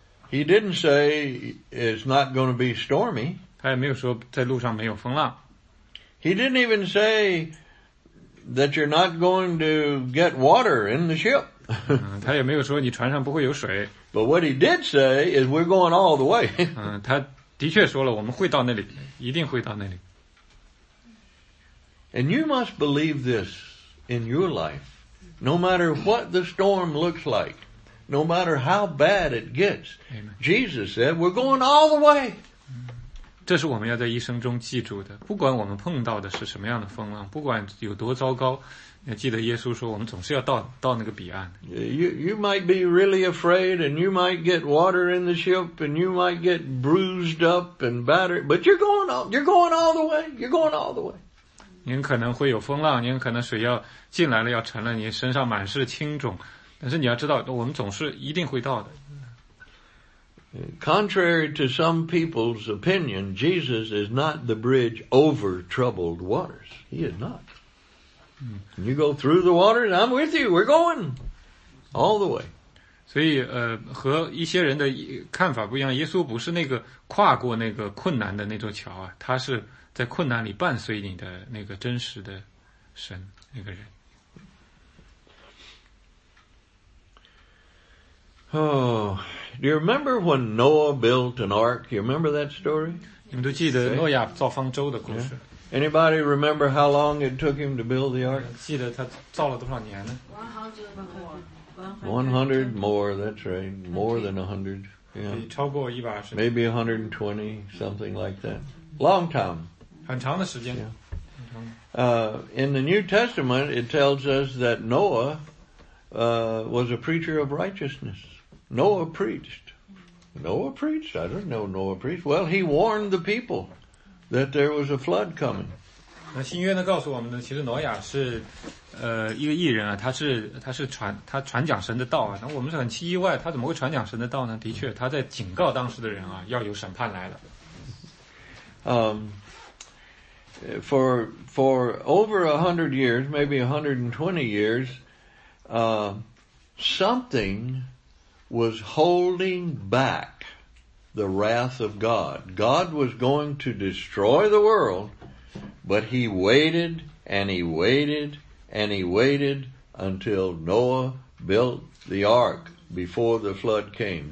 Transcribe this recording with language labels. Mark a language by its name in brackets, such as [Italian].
[English] He didn't say it's not going to be stormy. [Chinese] 他也没有说在路上没有风浪。 [English] He didn't even say that you're not going to get water in the ship. [Chinese] 他也没有说你船上不会有水。 [English] But what he did say is we're going all the way. [Chinese] 他的确说了我们会到那里，一定会到那里。 [English] And you must believe this in your life. No matter what the storm looks like, no matter how bad it gets, Jesus said we're going all the way. [Chinese] 这是我们要在一生中记住的，不管我们碰到的是什么样的风浪，不管有多糟糕，你记得耶稣说我们总是要到那个彼岸。 [English] You might be really afraid and you might get water in the ship and you might get bruised up and battered, but you're going all the way. [Chinese] 您可能会有风浪，您可能水要进来了要沉了，你身上满是青肿，但是你要知道我们总是一定会到的。 [English] Contrary to some people's opinion, Jesus is not the bridge over troubled waters. He is not. Can you go through the waters? I'm with you. We're going all the way. [Chinese] 所以和一些人的看法不一样，耶稣不是那个跨过那个困难的那座桥啊，他是在困难里伴随你的那个真实的神那个人。 Oh, [English] Do you remember when Noah built an ark? Do you remember that story? [Chinese] 你们都记得诺亚造方舟的故事。 [English] Anybody remember how long it took him to build the ark? [Chinese] 记得他造了多少年呢？ [English] 100 more, that's right. More than 100. [Chinese] Yeah. 超过120. [English] Maybe 120, something like that. Long time. [Chinese] 很长的时间。 Yeah. [English] In the New Testament, it tells us that Noah, was a preacher of righteousness. Noah preached? I don't know Noah preached. Well, he warned the people that there was a flood coming. [Chinese] 那新约呢告诉我们呢其实挪亚是一个义人啊他传讲神的道啊那我们是很奇意外他怎么会传讲神的道呢的确他在警告当时的人啊要有审判来了。 [English] For over 100 years, maybe 120 years, something was holding back the wrath of God. God was going to destroy the world, but he waited and he waited and he waited until Noah built the ark before the flood came.